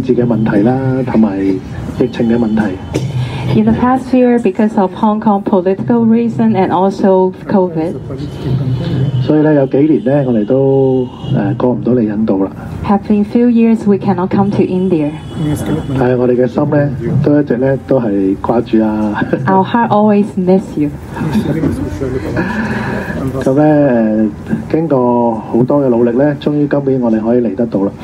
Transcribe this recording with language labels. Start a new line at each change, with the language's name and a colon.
Cantonese: 在過去幾年呢，就係因為有啲香港嘅政治嘅問題啦，同埋疫情嘅問題。
English: In the past year, because of Hong Kong political reason and also COVID,
Cantonese: 所以咧有幾年咧，我哋都過唔到嚟印度啦。
English: Have been few years we cannot come to India.
Cantonese: 但係我哋嘅心咧，都一直咧都係掛住啊。
English: Our heart always miss you.
Cantonese: 咁咧，經過好多嘅努力咧，終於今年我哋可以嚟得到啦。